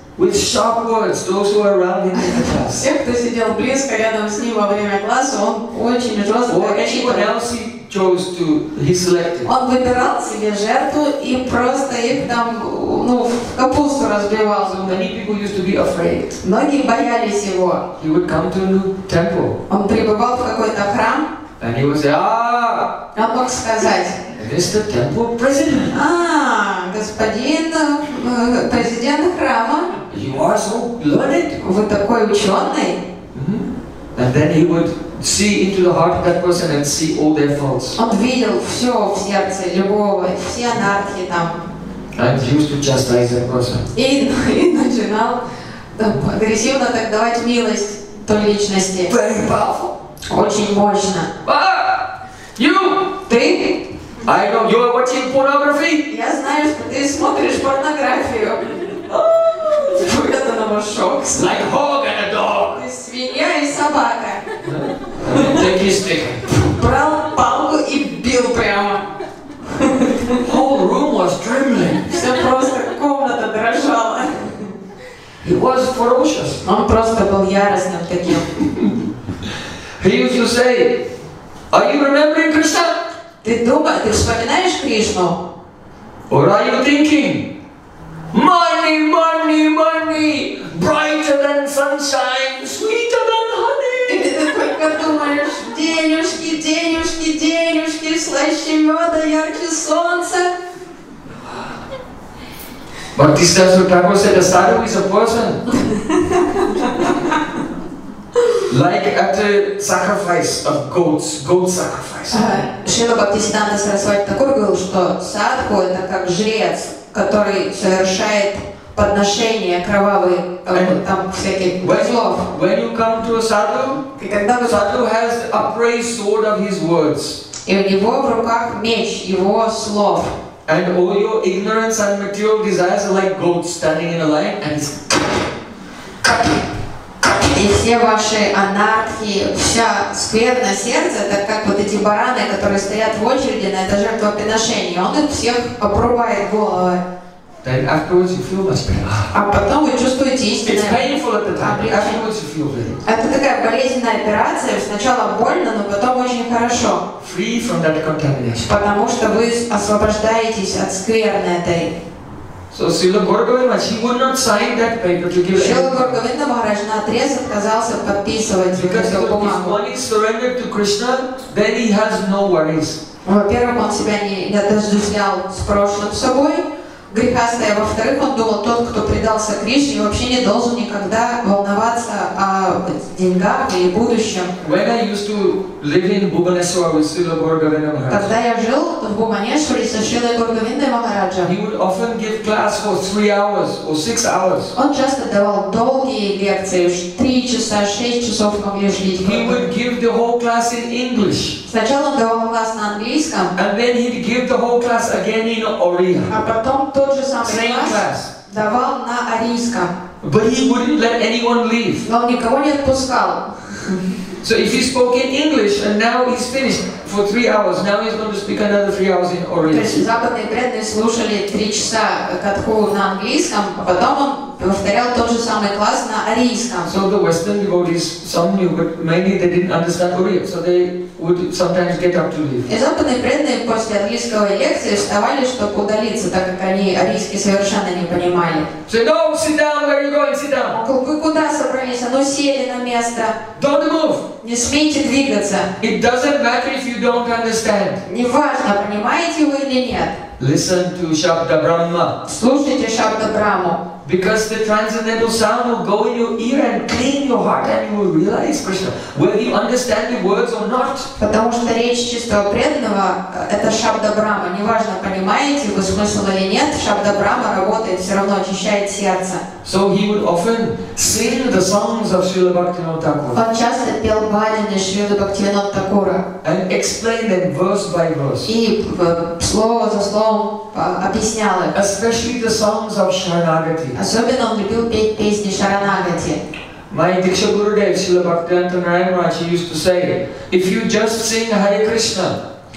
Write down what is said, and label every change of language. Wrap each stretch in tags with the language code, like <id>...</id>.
<en>With sharp words, those who were around him in the class.</en> <ru>Всех, кто сидел близко рядом с ним во время класса, он очень жестко.</ru> <en>Or anyone else he chose to, he selected.</en> <ru>Он выбирал себе жертву и просто их там, ну, в капусту разбивал.</ru> <en>So many people used to be afraid.</en> <ru>Многие боялись его.</ru> <en>He would come to a new temple.</en> <ru>Он прибывал в какой-то храм.</ru> <en>And he would say, ah.</en> <ru>Он мог сказать.</ru> <en>Mr. Temple President.</en> <ru>Господин президент храма.</ru> <en>You are so learned.</en> <ru>Вы такой ученый. Mm-hmm.</ru> <en>And then he would see into the heart of that person and see all their faults.</en> <ru>Он видел все в сердце любого, все анархии там.</ru> <en>And used to chastise that person.</en> <ru>И начинал агрессивно так давать милость той личности.</ru> <en>Very powerful.</en> <ru>Очень мощно.</ru> <en>Ah! You!</en> <ru>Ты?</ru> <en>I know you are watching pornography.</en> <ru>Я знаю, что ты смотришь порнографию. Вот это новошок.</ru> <en>Like hog and a dog.</en> <ru>Ты свинья и собака.</ru> <en>Take his stick.</en> <ru>Брал палку и бил прямо.</ru> <en>Whole room was trembling.</en> <ru>Все просто комната дрожала.</ru> <en>He was ferocious.</en> <ru>Он просто был яростным таким.</ru> <en>He used to say, "Are you remembering Krishna?"</en> <ru>Ты думаешь, ты вспоминаешь Кришну?</ru> <en>Or are you thinking? Money, money, money! Brighter than sunshine, sweeter than honey!</en> <ru>И ты только думаешь, денежки, денежки, денежки, слаще меда, ярче солнца.</ru> <en>But this is what Thakur said, a sadhu is a person. Like at the sacrifice of goats, goat sacrifice.</en> <ru>Шрила Бхактисиддханта Сарасвати Такур говорил, что садху это как жрец, который совершает подношения кровавые, там всяких козлов.</ru> <en>When you come to a sadhu, sadhu has the upraised sword of his words.</en> <ru>И у него в руках меч его слов.</ru> <en>And all your ignorance and material desires are like goats standing in a line and he's</en> <ru>И все ваши анархии, вся скверное сердце, это как вот эти бараны, которые стоят в очереди на это жертвоприношение. Он их всех обрубает головы.</ru> <en>Then afterwards you feel much better.</en> <ru>А потом вы чувствуете истинное облегчение. Это такая болезненная операция. Сначала больно, но потом очень хорошо.</ru> <en>Free from that contamination.</en> <ru>Потому что вы освобождаетесь от скверны этой.</ru> <en>So Srila Govinda, he would not sign that paper to give.</en> <ru>Srila Govinda Maharaj наотрез отказался подписывать эту бумагу.</ru> <en>Because if one is surrendered to Krishna, then he has no worries.</en> <ru>Во-первых, он себя не отождествлял с прошлым собой, грехастое. Во-вторых, он думал, тот, кто предался Кришне, вообще не должен никогда волноваться о деньгах и будущем.</ru> <en>When I used to live in Bhubaneswar with Srila Govinda Maharaj.</en> <ru>Когда я жил в Бхубанешваре со Шрилой Говиндой Махараджа.</ru> <en>He would often give class for 3 hours or 6 hours.</en> <ru>Он часто давал долгие лекции, 3 часа, 6 часов могли жить.</ru> <en>He would give the whole class in English.</en> <ru>Сначала он давал класс на английском.</ru> <en>And then he'd give the whole class again in Oriya.</en> <ru>А потом тот же самый</ru> <en>Same class.</en> <ru>Давал на арийском.</ru> <en>But he wouldn't let anyone leave.</en> <ru>Но он никого не отпускал.</ru> <en>So if he spoke in English and now he's finished, for 3 hours. Now he's going to speak another 3 hours in Orissa.</en> <ru>То есть западные преданные слушали 3 часа катху на английском, а потом он повторял тот же самый класс на арийском.</ru> <en>So the Western devotees, some knew, but mainly they didn't understand Ori, so they would sometimes get up to leave.</en> <ru>И западные преданные после английского лекции вставали, чтобы удалиться, так как они арийский совершенно не понимали.</ru> <en>So no, sit down, where are you going? Sit down.</en> <ru>Вы куда собрались? Оно сели на место.</ru> <en>Don't move.</en> <ru>Не смейте двигаться.</ru> <en>It doesn't matter if you don't understand.</en> <ru>Неважно, понимаете вы или нет.</ru> <en>Listen to Shabda Brahma.</en> <ru>Слушайте Шабда Брахму.</ru> <en>Because the transcendental sound will go in your ear and clean your heart, and you will realize, Krishna, whether you understand the words or not.</en> <ru>Потому что речь чистого преданного – это Шабда Брахма. Неважно, понимаете вы смысл или нет, Шабда Брахма работает, все равно очищает сердце.</ru> <en>So he would often sing the songs of Srila Bhaktivinoda Thakura.</en> <ru>Он часто пел баджаны Шрилы Бхактивинода Такура.</ru> <en>And explain them verse by verse.</en> <ru>И слово за словом объяснял их.</ru> <en>Especially the songs of Sharanagati.</en> <ru>Особенно он любил петь песни Шаранагати.</ru> <en>My Diksha Gurudev, Srila Bhaktivinoda Narayana, he used to say, if you just sing Hare Krishna.</en>